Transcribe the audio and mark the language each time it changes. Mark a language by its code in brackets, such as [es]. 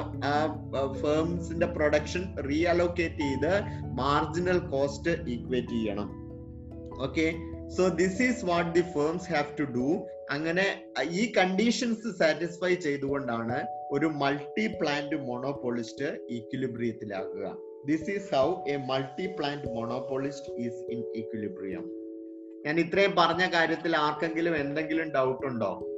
[ml] ആ ഫേംസിന്റെ production re allocate ചെയ്ത് marginal cost equate ചെയ്യണം. [en] Okay, so this is what the firms have to do. [ml] അങ്ങനെ ഈ conditions satisfy ചെയ്തുകൊണ്ടാണ് ഒരു multi plant മോണോപോളിസ്റ്റ് ഈക്വിലിബ്രിയത്തിലാകുക. [en] This is how a multi-plant monopolist is in equilibrium. [ml] ഞാൻ ഇത്രയും പറഞ്ഞ കാര്യത്തിൽ ആർക്കെങ്കിലും എന്തെങ്കിലും ഡൗട്ട് ഉണ്ടോ?